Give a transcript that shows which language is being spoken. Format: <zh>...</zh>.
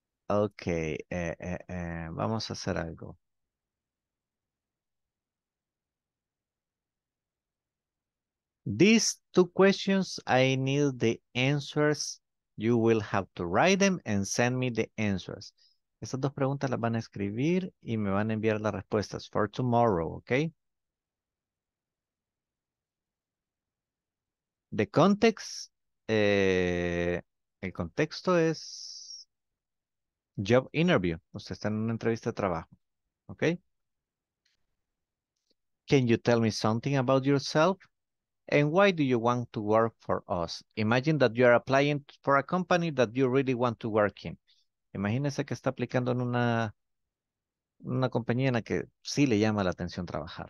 <es>Okay, vamos a hacer algo.</es> <en>These two questions, I need the answers. You will have to write them and send me the answers.</en> <es>Estas dos preguntas las van a escribir y me van a enviar las respuestas</es> <en>for tomorrow,</en> <es>okay?</es> <en>The context,</en> <es>el contexto es</es> <en>job interview.</en> <es>Usted está en una entrevista de trabajo, okay?</es> <en>Can you tell me something about yourself? And why do you want to work for us? Imagine that you are applying for a company that you really want to work in.</en> <es>Imagínese que está aplicando en una compañía en la que sí le llama la atención trabajar.</es>